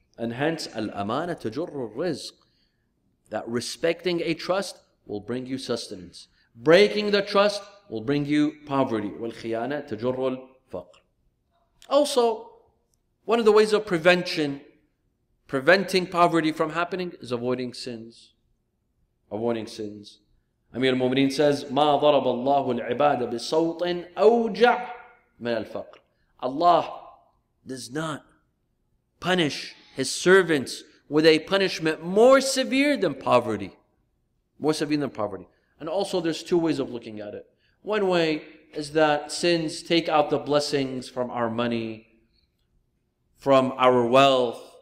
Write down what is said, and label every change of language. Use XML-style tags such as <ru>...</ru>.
<en>And hence, al-amana tajurru rizq. That respecting a trust will bring you sustenance. Breaking the trust will bring you poverty. Wal-khiyana tajurru al-faqr. Also, one of the ways of preventing poverty from happening is avoiding sins. Avoiding sins.</en> <ar>Amir al-Mu'mineen says, مَا ضَرَبَ اللَّهُ الْعِبَادَ بِصَوْطٍ أَوْجَعْ مِنَ الْفَقْرِ.</ar> <en>Allah does not punish His servants with a punishment more severe than poverty. More severe than poverty. And also there's two ways of looking at it. One way is that sins take out the blessings from our money, from our wealth.</en>